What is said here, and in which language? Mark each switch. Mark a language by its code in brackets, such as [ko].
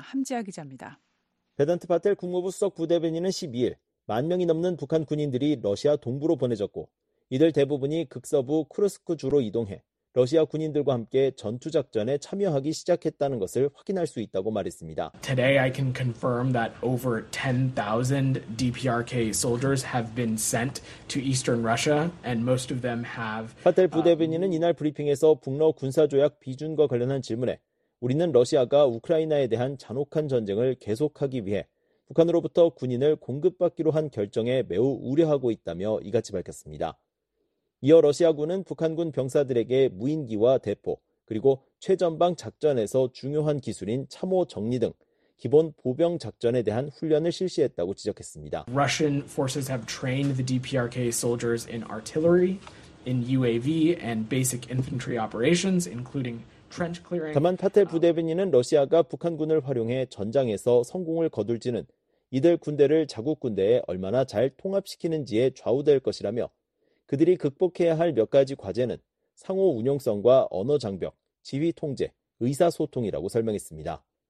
[ko] 함지아 기자입니다. 베단트 파텔 국무부 수석 부대변인은 12일 만 명이 넘는 북한 군인들이 러시아 동부로 보내졌고 이들 대부분이 극서부 크루스크 주로 이동해 러시아 군인들과 함께 전투 작전에 참여하기 시작했다는 것을 확인할 수 있다고 말했습니다. [en] Today I can confirm that over 10,000 DPRK soldiers have been sent to Eastern Russia and most of them have [ko] 파텔 부대변인은 이날 브리핑에서 북러 군사조약 비준과 관련한 질문에 우리는 러시아가 우크라이나에 대한 잔혹한 전쟁을 계속하기 위해 북한으로부터 군인을 공급받기로 한 결정에 매우 우려하고 있다며 이같이 밝혔습니다. 이어 러시아군은 북한군 병사들에게 무인기와 대포, 그리고 최전방 작전에서 중요한 기술인 참호 정리 등 기본 보병 작전에 대한 훈련을 실시했다고 지적했습니다. [en] Russian forces have trained the DPRK soldiers in artillery, in UAV and basic infantry operations including trench clearing. [ko] 다만 파텔 부대변인은 러시아가 북한군을 활용해 전장에서 성공을 거둘지는 이들 군대를 자국 군대에 얼마나 잘 통합시키는지에 좌우될 것이라며 그들이 극복해야 할 몇 가지 과제는 상호 운용성과 언어 장벽, 지휘 통제, 의사소통이라고 설명했습니다.